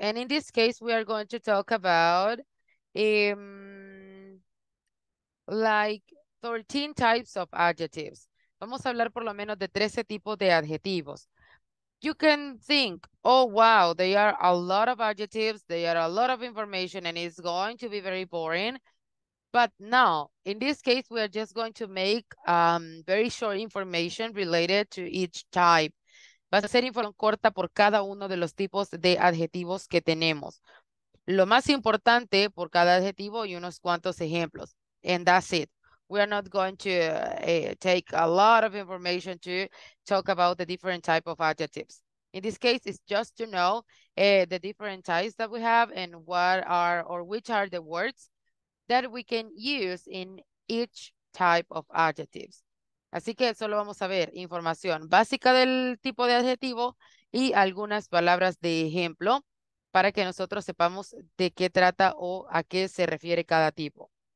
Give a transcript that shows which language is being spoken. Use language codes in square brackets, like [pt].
[en] And in this case, we are going to talk about like 13 types of adjectives. [es] Vamos a hablar por lo menos de 13 tipos de adjetivos. [en] You can think, oh, wow, there are a lot of adjectives, there are a lot of information, and it's going to be very boring. But no, in this case, we are just going to make very short information related to each type. [es] Va a ser información corta por cada uno de los tipos de adjetivos que tenemos. Lo más importante por cada adjetivo y unos cuantos ejemplos. [en] And that's it. We are not going to take a lot of information to talk about the different type of adjectives. In this case, it's just to know the different types that we have and what are or which are the words that we can use in each type of adjectives. [es] Así que solo vamos a ver información básica del tipo de adjetivo y algunas palabras de ejemplo para que nosotros sepamos de qué trata o a qué se refiere cada tipo.